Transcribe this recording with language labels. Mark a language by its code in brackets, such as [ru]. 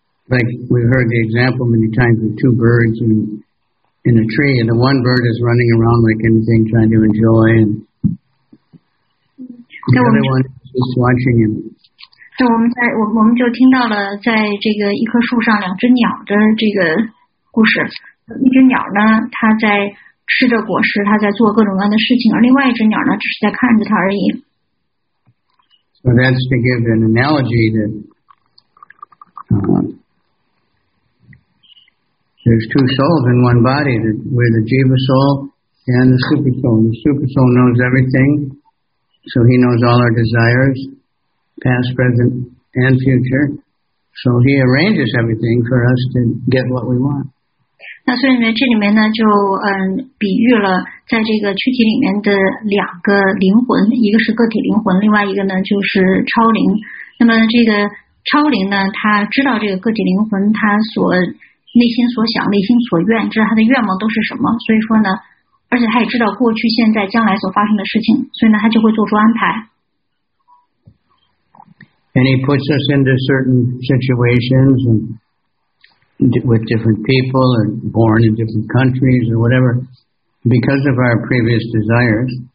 [en] like we've heard the example many times of two birds in a tree, and the one bird is running around like anything, trying to enjoy, and the other one is just watching him. [zh] 我们就听到了在这个一棵树上两只鸟的这个故事。一只鸟呢，它在吃着果实，它在做各种各样的事情，而另外一只鸟呢，只是在看着它而已。 [en] So that's to give an analogy that, there's two souls in one body, that we're the jiva soul and the super soul. The super soul knows everything, so he knows all our desires, past, present, and future. So he arranges everything for us to get what we want. [zh] 那所以呢，这里面呢就比喻了在这个躯体里面的两个灵魂，一个是个体灵魂，另外一个呢就是超灵。那么这个超灵呢，他知道这个个体灵魂他所内心所想、内心所愿，知道他的愿望都是什么。所以说呢，而且他也知道过去、现在、将来所发生的事情，所以呢，他就会做出安排。 [en] And he puts us into certain situations and. With different people or born in different countries or whatever, because of our previous desires.